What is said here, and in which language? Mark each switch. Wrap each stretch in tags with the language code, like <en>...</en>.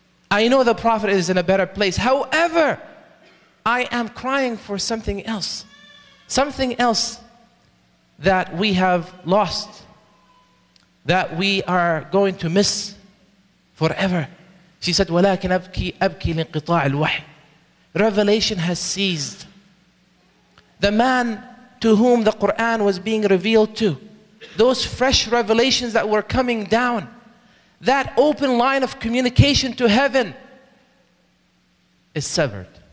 <en>I know the Prophet is in a better place. However, I am crying for something else. Something else that we have lost, that we are going to miss forever. She said,</en> <ar>وَلَكِنْ أَبْكِي لِنْقِطَاعِ الْوَحِي.</ar> <en>Revelation has ceased. The man to whom the Quran was being revealed to, those fresh revelations that were coming down, that open line of communication to heaven is severed.</en>